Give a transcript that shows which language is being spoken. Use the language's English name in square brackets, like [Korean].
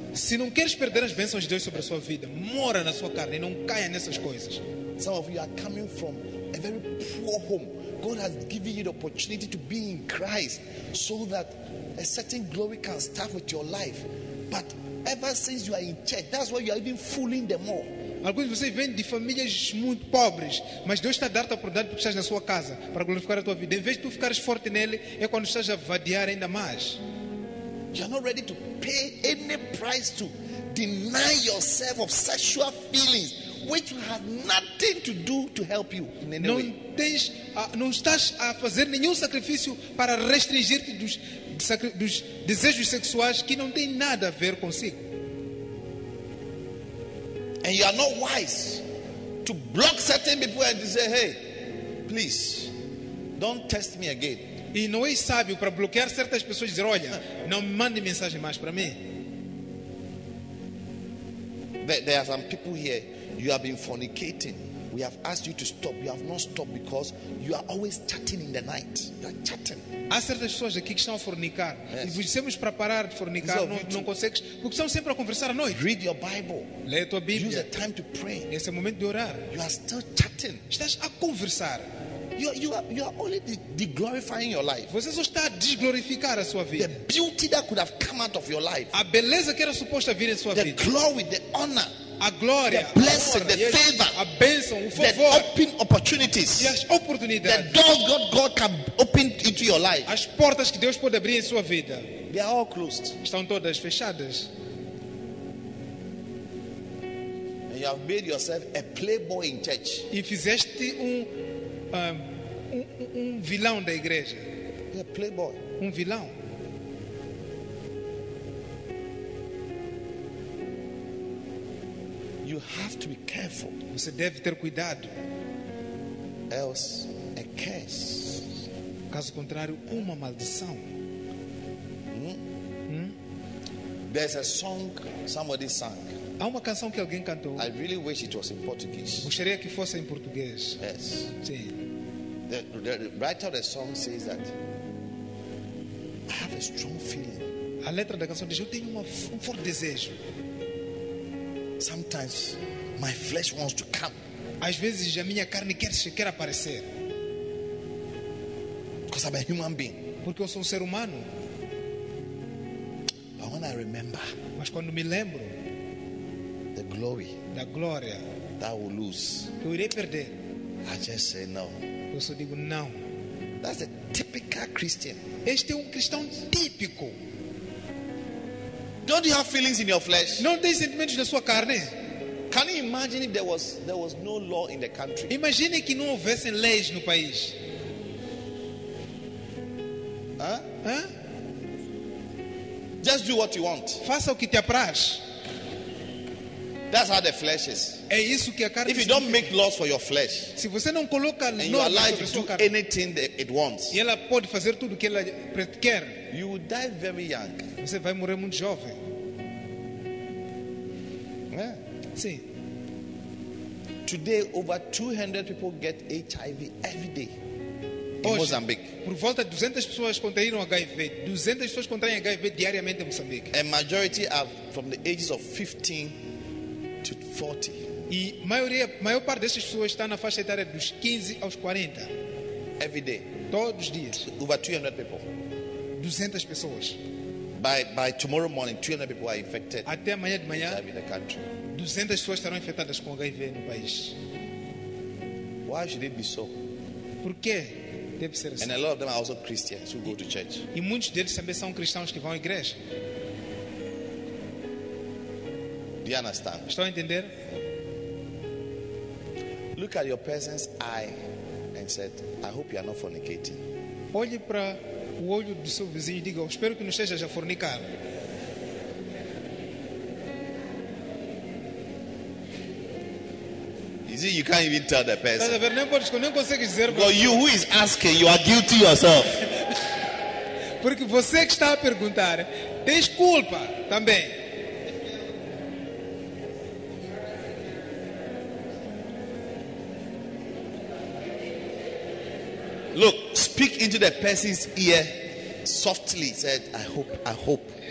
[Portuguese] Se não queres perder as bênçãos de Deus sobre a sua vida, mora na sua carne e não caia nessas coisas. [English] Some of you are coming from a very poor home. God has given you the opportunity to be in Christ so that a certain glory can start with your life. But ever since you are in church, that's why you are even fooling them all. [Portuguese] Alguns de vocês vêm de famílias muito pobres, mas Deus está a dar-te a oportunidade porque estás na sua casa para glorificar a tua vida. Em vez de tu ficares forte nele, é quando estás a vadiar ainda mais. [English] You are not ready to pay any price to deny yourself of sexual feelings, which have nothing to do to help you. [Portuguese] Não estás a fazer nenhum sacrifício para restringir-te dos desejos sexuais que não têm nada a ver consigo. [English] And you are not wise to block certain people and to say, hey, please, don't test me again. [Portuguese] E não és sábio para bloquear certas pessoas e dizer, olha, não mande mensagem mais para mim. [English] There are some people here, you have been fornicating. We have asked you to stop. You have not stopped because you are always chatting in the night. You are chatting. [Portuguese] Há certas pessoas aqui que estão a fornicar. [English] Yes. [Portuguese] E vos dissemos para parar de fornicar, não consegues, porque estão sempre a conversar à noite. [English] Read your Bible. [Portuguese] Lê a tua Bíblia. [English] Use the time to pray. [Portuguese] Esse é o momento de orar. [English] You are still chatting. [Portuguese] Estás a conversar. [English] You are only deglorifying your life. [Portuguese] Você só está a desglorificar a sua vida. [English] The beauty that could have come out of your life. [Portuguese] A beleza que era suposta vir em sua [English] the [Portuguese] vida. [English] The glory, the honor. [Portuguese] A glória, [English] the blessing, [Portuguese] a glória, [English] the favor, [Portuguese] a bênção, o favor, [English] the open opportunities, [Portuguese] as oportunidades, [English] the doors God can open into your life, [Portuguese] as portas que Deus pode abrir em sua vida, [English] they are all closed, [Portuguese] estão todas fechadas. [English] And you have made yourself a playboy in church. [Portuguese] E fizeste um vilão da igreja. [English] A playboy. [Portuguese] Um vilão. [English] You have to be careful. [Portuguese] Você deve ter cuidado. [English] Else a curse. [Portuguese] Caso contrário, uma maldição. [English] There's a song somebody sang. [Portuguese] Há uma canção que alguém cantou. [English] I really wish it was in Portuguese. [Portuguese] Gostaria que fosse em português. [English] Yes. [Portuguese] Sim. [English] The writer of the song says that I have a strong feeling. [Portuguese] A letra da canção diz: eu tenho um forte desejo. [English] Sometimes my flesh wants to come. [Portuguese] Às vezes a minha carne quer aparecer. [English] Because I'm a human being. [Portuguese] Porque eu sou um ser humano. [English] But when I remember, [Portuguese] mas quando me lembro, [English] the glory, [Portuguese] da glória, [English] that I will lose, [Portuguese] que eu irei perder, [English] I just say no. [Portuguese] Eu só digo não. [English] That's a typical Christian. [Portuguese] Este é cristão típico. [English] Don't you have feelings in your flesh? [Portuguese] Não tem sentimentos na sua carne? [English] Can you imagine if there was no law in the country? [Portuguese] Imagine que não houvesse leis no país. [English] Huh? Just do what you want. [Portuguese] Faça o que te apraz. [English] That's how the flesh is. [Portuguese] É isso que a carne. [English] If you don't make laws for your flesh, [Portuguese] se você não coloca [English] and [Portuguese] não [English] your life do anything that it wants, [Portuguese] e ela pode fazer tudo que ela quer, [English] you will die very young. [Portuguese] Você vai morrer muito jovem. [English] Yeah. [Portuguese] Sim. [English] Today, over 200 people get HIV every day in [Portuguese] hoje, [English] Mozambique. [Portuguese] Por volta de 200 pessoas contraíram HIV. 200 pessoas contraem HIV diariamente em Moçambique. [English] A majority are from the ages of 15. To 40. [Portuguese] E maior parte dessas pessoas está na faixa etária dos 15 aos 40. [English] Every day. [Portuguese] Todos os dias. [English] Over 200 people. [Portuguese] 200 pessoas. [English] By tomorrow morning, 200 people are infected. [Portuguese] Até amanhã de manhã. [English] In the country. [Portuguese] 200 pessoas estarão infectadas com HIV no país. [English] Why should it be so? [Portuguese] Por que deve ser assim? [English] And a lot of them are also Christians who go to church. [Portuguese] E muitos deles também são cristãos que vão à igreja. Estão a entender? [English] Look at your person's eye and said, I hope you are not fornicating. [Portuguese] Olhe para o olho do seu vizinho e diga, espero que não esteja a fornicar. [English] You see, you can't even tell the person. [Portuguese] Estás a ver, nem podes, nem consegues dizer. [English] But you who is asking, you are guilty yourself. [Portuguese] Porque você que está a perguntar, tens culpa também. [English] Look, speak into the person's ear softly said, I hope.